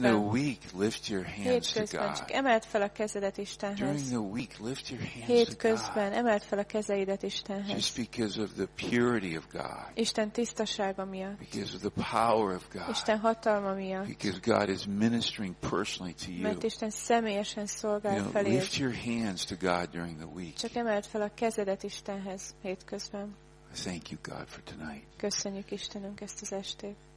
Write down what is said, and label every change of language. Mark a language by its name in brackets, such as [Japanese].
[English] During the week, lift your hands to God. [Hungarian] Emeld fel a kezedet Istenhez. [English] During the week, lift your hands to God. [Hungarian] Hétközben emeld fel a kezeidet Istenhez. [English] Just because of the purity of God. [Hungarian] Isten tisztasága miatt. [English] Because of the power of God. [Hungarian] Isten hatalma miatt. [English] Because God is ministering personally to you. [Hungarian] Mert Isten személyesen szolgál feléd. [English] Lift your hands to God during the week. [Hungarian] Csak emeld fel a kezedet Istenhez hétközben. [English] Thank you, God, for tonight. [Hungarian] Köszönjük Istenünk ezt az estét.